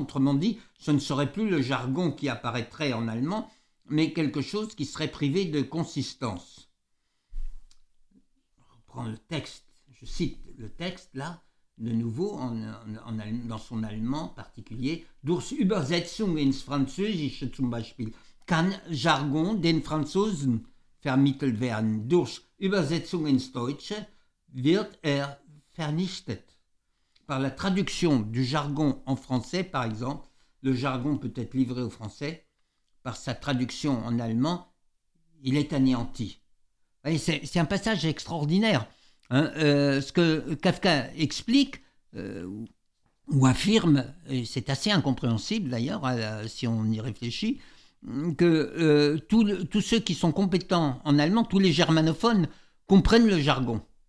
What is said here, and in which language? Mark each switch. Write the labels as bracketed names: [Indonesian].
[French] Autrement dit, ce ne serait plus le jargon qui apparaîtrait en allemand, mais quelque chose qui serait privé de consistance. » Je reprends le texte, je cite le texte là, de nouveau, dans son allemand particulier. [German] « Durch Übersetzung ins Französische zum Beispiel » Kann Jargon den Franzosen vermittelt werden? Durch Übersetzung ins Deutsche wird vernichtet. [French] Par la traduction du jargon en français, par exemple, le jargon peut être livré au français, par sa traduction en allemand, il est anéanti. Et c'est un passage extraordinaire. Hein, ce que Kafka explique, ou affirme, et c'est assez incompréhensible d'ailleurs, si on y réfléchit, que tous ceux qui sont compétents en allemand, tous les germanophones, comprennent le jargon.